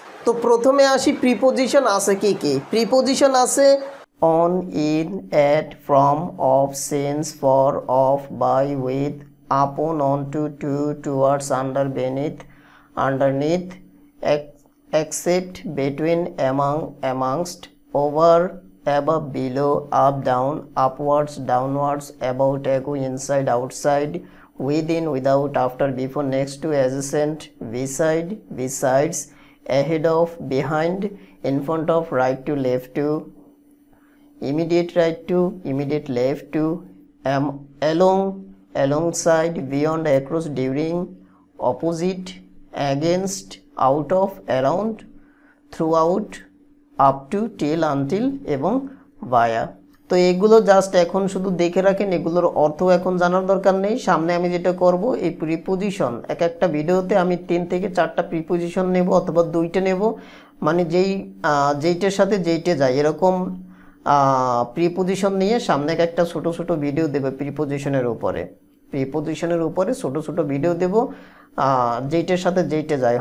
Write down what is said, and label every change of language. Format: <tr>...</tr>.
<bn>তো প্রথমে আসি প্রিপোজিশন আছে</bn> <en>কী কী। প্রিপোজিশন আছে on, in, at, from, of, since, for, of, by, with, upon, on to, to, towards, under, beneath, underneath, except, between, amongst, over, above, below, up, down, upwards, downwards, about, ago, inside, outside, within, without, after, before, next to, adjacent, beside, besides, ahead of, behind, in front of, right to, left to, immediate right to, immediate left to, along, alongside, beyond, across, during, opposite, against, out of, around, throughout, up to, till, until,</en> <bn>এবং</bn> <en>via.</en> <bn>তো এগুলো just এখন শুধু দেখে রাখেন, এগুলোর অর্থ এখন জানার দরকার নেই। সামনে আমি যেটা করব এই প্রিপজিশন, এক একটা ভিডিওতে আমি তিন থেকে চারটা প্রিপজিশন নেব অথবা দুইটা নেব, মানে যেই যেইটার সাথে যেইটা যায় এরকম প্রিপজিশন নিয়ে সামনে এক একটা ছোট ছোট ভিডিও দেব প্রিপজিশনের উপরে, প্রিপজিশনের উপরে ছোট ছোট ভিডিও দেব যেইটার সাথে যেইটা যায়।</bn>